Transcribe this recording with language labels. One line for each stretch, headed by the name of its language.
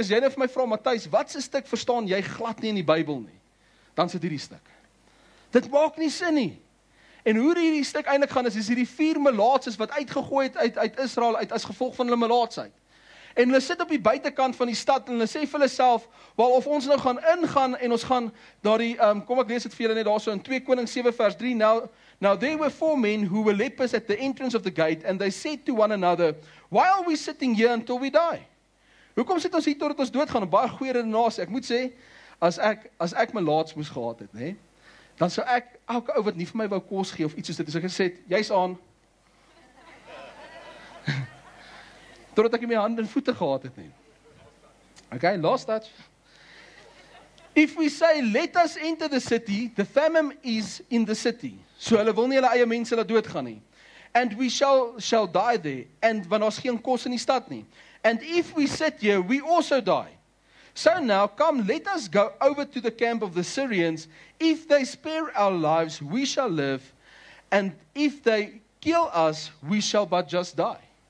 Afrikaans: As jy nou vir my vra, Matthys, wat se stuk verstaan jy glad nie in die Bybel nie? Dan sit hierdie stuk. Dit maak nie sin nie. En hoe hierdie stuk eintlik gaan is hierdie vier melaatses wat uitgegooi het uit Israel uit as gevolg van hulle melaatsheid. En hulle sit op die buitekant van die stad en hulle sê vir hulle self, "Wel, of ons nou gaan ingaan en ons gaan daardie kom ek lees dit vir julle net daarso in 2 Konings 7 vers 3 nou.
English: Now there were four men who were lepers at the entrance of the gate, and they said to one another, why are we sitting here until we die?
Afrikaans: Hoekom sit ons hier totdat ons doodgaan? 'N baie goeie redenasie. Ek moet sê, as ek my laats moes gehad het, nê, dan sou ek elke ou wat nie vir my wou kos gee of iets soos dit, as ek gesê het, jy's aan. Totdat ek my hande en voete gehad het, nê.
English: Okay, last touch. If we say, let us enter the city, the famine is in the city.
Afrikaans: So hulle wil nie hulle eie mense laat doodgaan nie.
English: And we shall die there,
Afrikaans: and want daar is geen kos in die stad nie.
English: And if we sit here, we also die. So now, come, let us go over to the camp of the Syrians. If they spare our lives, we shall live. And if they kill us, we shall but just die.